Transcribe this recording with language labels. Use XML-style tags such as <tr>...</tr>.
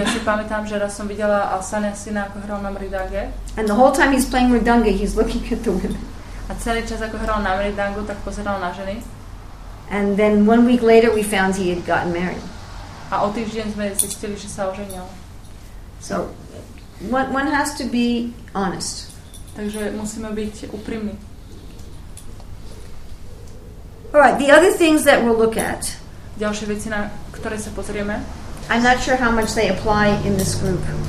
<sk>Ja si pamätám, že raz som videla sannyasina, ako hral na mridange.</sk> <en>And the whole time he's playing mridanga, he's looking at the women.</en> <sk>A celý čas, ako hral na mridangu, tak pozeral na ženy.</sk> <en>And then one week later we found he had gotten married.</en> <sk>A o týždeň sme zistili, že sa oženil.</sk> <en>So one has to be honest.</en> <sk>Takže musíme byť úprimní.</sk> <en>All right, the other things that we'll look at.</en> <sk>Ďalšie veci, na ktoré sa pozrieme.</sk> <en>I'm not sure how much they apply in this group.</en>